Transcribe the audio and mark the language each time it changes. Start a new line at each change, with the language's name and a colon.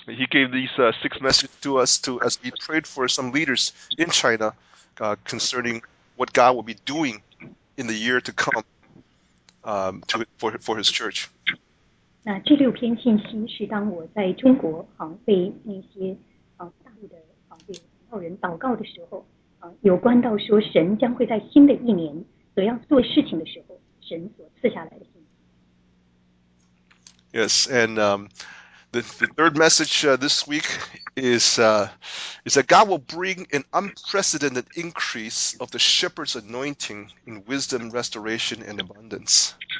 English: He gave these 6 messages to us as we prayed for some leaders in China concerning what God will be doing in the year to come. For his church.
Chinese: 那这六篇信息是当我在中国被那些大陆的领导人祷告的时候，有关到说神将会在新的一年所要做事情的时候，神所赐下来的信息。Yes,
English: and the third message this week is that God will bring an unprecedented increase of the shepherd's anointing in wisdom, restoration, and abundance.